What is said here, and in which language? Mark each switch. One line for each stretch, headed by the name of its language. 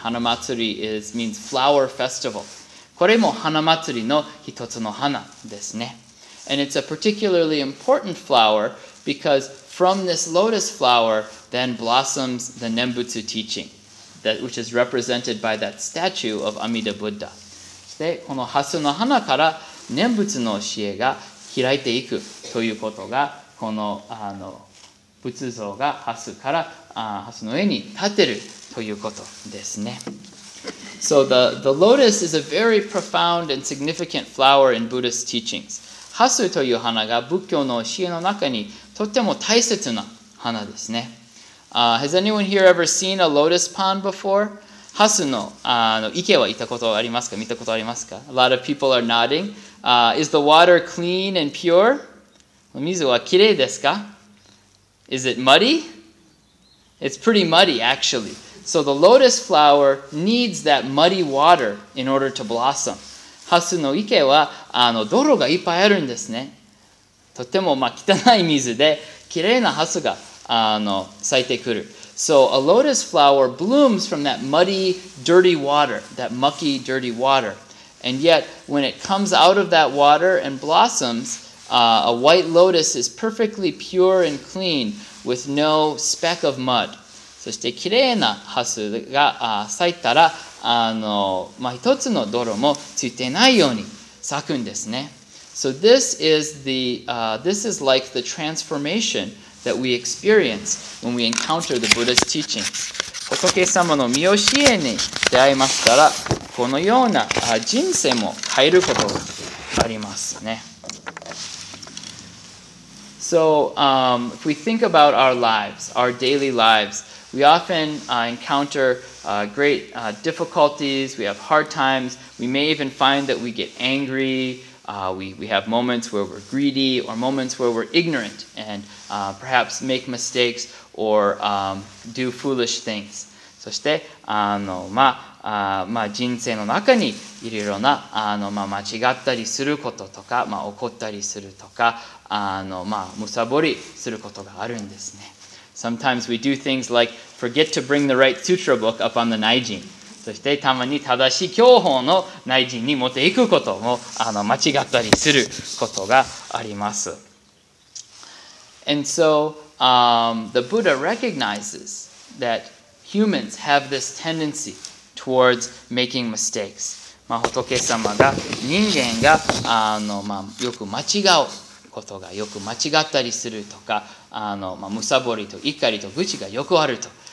English: Hanamatsuri means flower festival.
Japanese: これも Hanamatsuri の一つの花ですね。
English: And it's a particularly important flower because from this lotus flower then blossoms the Nembutsu teaching, that which is represented by that statue of Amida Buddha.
Japanese: そしてこの蓮の花から念仏の教えが開いていくということがこの仏像が蓮から蓮の上に立てるということですね。
English: So the lotus is a very profound and significant flower in Buddhist teachings.
Japanese: 蓮という花が仏教の教えの中にとても大切な花ですね。
English: Has anyone here ever seen a lotus pond before?
Japanese: ハスの池は行ったことありますか？見たことありますか？
English: A lot of people are nodding. Is the water clean and pure?
Japanese: 水はきれいですか？
English: Is it muddy? It's pretty muddy, actually. So the lotus flower needs that muddy water in order to blossom.
Japanese: ハスの池は泥がいっぱいあるんですね。とても汚い水で、きれいなハスが咲いてくる。
English: So a lotus flower blooms from that muddy, dirty water, that mucky, dirty water. And yet, when it comes out of that water and blossoms, a white lotus is perfectly pure and clean with no speck of mud.
Japanese: そしてきれいなハスが咲いたら、一つの泥もついてないように咲くんですね。
English: So this is like the transformation that we experience when we encounter the Buddha's teachings.
Japanese: 仏様の御教えに出会いましたら、このような人生も変えることがありますね。
English: So, if we think about our lives, our daily lives, we often encounter great difficulties, we have hard times, we may even find that we get angry, we have moments where we're greedy or moments where we're ignorant and perhaps make mistakes or do foolish things.
Japanese: そして人生の中にいろいろな間違ったりすることとか怒ったりするとかむさぼりすることがあるんですね。
English: Sometimes we do things like forget to bring the right sutra book up on the Naijin.
Japanese: そしてたまに正しい教法の内陣に持っていくことも間違ったりすることがあります。
English: And so, the Buddha recognizes that humans have this tendency towards making mistakes.
Japanese: 仏様が人間がよく間違うことがよく間違ったりするとか、むさぼりと怒りと愚痴がよくあると。